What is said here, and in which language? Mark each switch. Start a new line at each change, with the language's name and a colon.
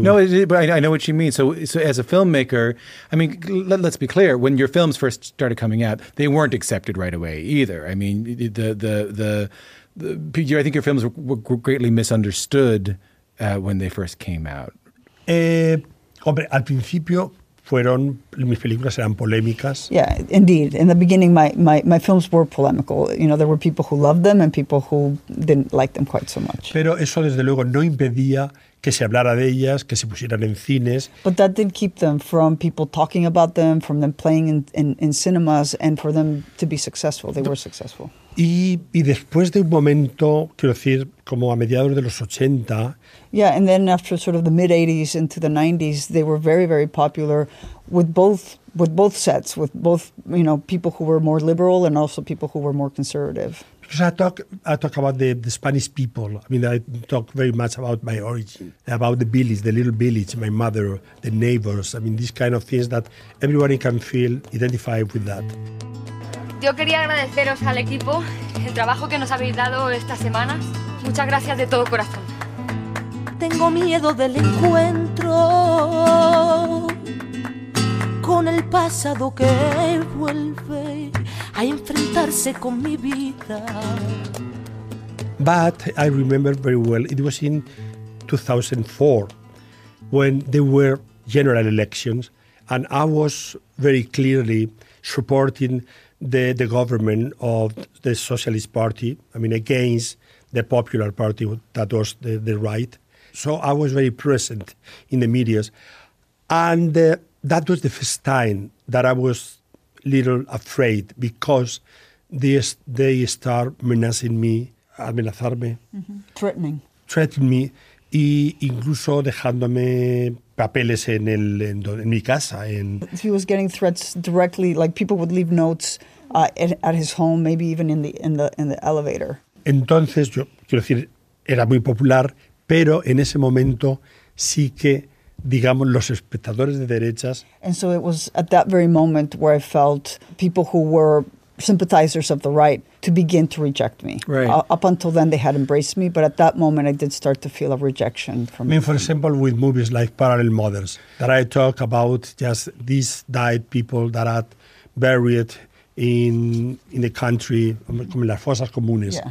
English: No, but I know what you mean. So as a filmmaker, I mean, let's be clear. When your films first started coming out, they weren't accepted right away either. I mean, I think your films were greatly misunderstood when they first came out.
Spanish: Hombre, al principio fueron mis películas eran polémicas.
English: Yeah, indeed. In the beginning, my films were polemical. You know, there were people who loved them and people who didn't like them quite so much.
Spanish: Pero eso desde luego no impedía que se hablara de ellas, que se pusieran en cines.
English: But that didn't keep them from people talking about them, from them playing in cinemas, and for them to be successful. They were successful.
Spanish: Y después de un momento, quiero decir, como a mediados de los 80.
English: Yeah, and then after sort of the mid-80s into the 90s, they were very, very popular with both sets, with both, you know, people who were more liberal and also people who were more conservative. Because I talk about the Spanish people. I mean, I talk very much about my origin, about the village, the little village, my mother, the neighbors. I mean, these kind of things that everybody can feel identified with that.
Spanish: Yo quería agradeceros al equipo el trabajo que nos habéis dado esta semana. Muchas gracias de todo corazón. Tengo miedo del encuentro con el pasado que vuelve a enfrentarse con mi vida.
English: But I remember very well, it was in 2004 when there were general elections and I was very clearly supporting the government of the Socialist Party, I mean, against the Popular Party, that was the right. So I was very present in the media. And that was the first time that I was a little afraid because they start menacing me, amenazarme. Mm-hmm. Threatening. Threatening me.
Spanish: Y incluso dejándome papeles en mi casa.
English: He was getting threats directly, like people would leave notes at his home, maybe even in the elevator.
Spanish: Entonces, yo quiero decir, era muy popular, pero en ese momento sí que, digamos, los espectadores de derechas.
English: And so it was at that very moment where I felt people who were sympathizers of the right to begin to reject me. Right. Up until then, they had embraced me, but at that moment, I did start to feel a rejection from. I mean, for example, with movies like Parallel Mothers, that I talk about just these died people that are buried in the country,
Spanish: como las fosas comunes.